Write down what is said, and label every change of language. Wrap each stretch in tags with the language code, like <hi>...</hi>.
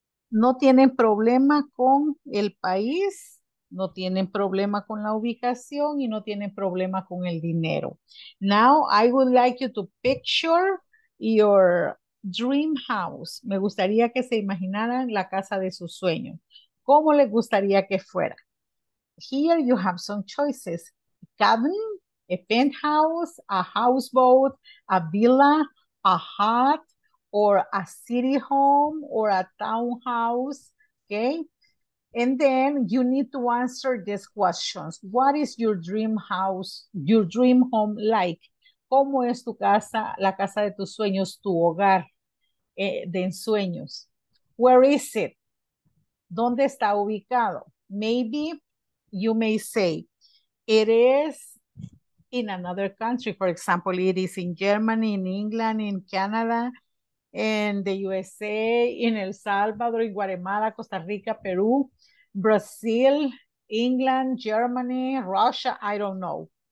<es>No tienen problema con el país, no tienen problema con la ubicación y no tienen problema con el dinero.</es> <en>Now, I would like you to picture your dream house.</en> <es>Me gustaría que se imaginaran la casa de sus sueños. ¿Cómo les gustaría que fuera?</es> <en>Here you have some choices. Cabin. A penthouse, a houseboat, a villa, a hut, or a city home, or a townhouse, okay? And then you need to answer these questions. What is your dream house, your dream home like?</en> <es>¿Cómo es tu casa, la casa de tus sueños, tu hogar de ensueños?</es> <en>Where is it?</en> <es>¿Dónde está ubicado?</es> <en>Maybe you may say, it is in another country. For example, it is in Germany, in England, in Canada, in the USA, in El Salvador, in Guatemala, Costa Rica, Peru, Brazil, England, Germany, Russia, I don't know.</en>